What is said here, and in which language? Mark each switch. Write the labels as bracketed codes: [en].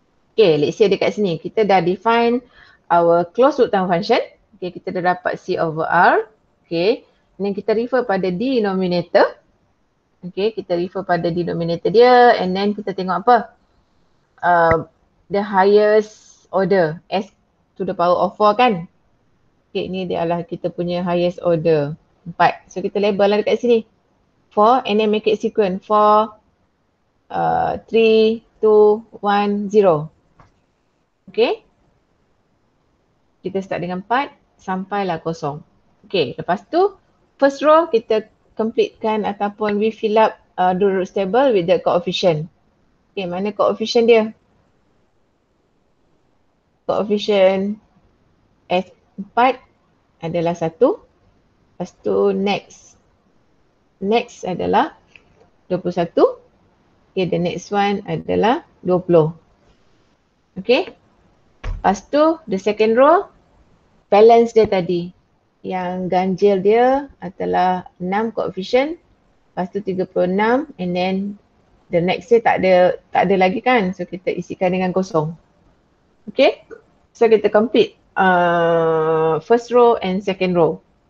[en] Okay, let's say [ms] dekat sini. Kita dah [en] define our closed loop time function. [ms] Okay, kita dah dapat C over R. Okay, then kita refer pada denominator. Okay, kita refer pada denominator dia and then kita tengok apa? [en] The highest order, S to the power of 4 kan? [ms] Okay, ni dia adalah kita punya highest order 4. So, kita label lah dekat sini. 4 [en] and then make it sequence. 4, 3, 2, 1, 0. Okay. [ms] Kita start dengan 4 sampailah 0. [en] Okay, lepas tu first row [ms] kita completekan ataupun [en] we fill up the root table with the coefficient. [ms] Okay, mana coefficient dia? Coefficient S4 adalah 1. Lepas tu next. Next adalah 21. [en] Okay, the next one adalah 20. Okay. [ms] Lepas tu [en] the second row, [ms] balance dia tadi. Yang ganjil dia adalah 6 coefficient. Lepas tu 36 and then the next dia tak ada lagi kan. So kita isikan dengan kosong. [en] Okay. [ms] So kita complete first row and second row.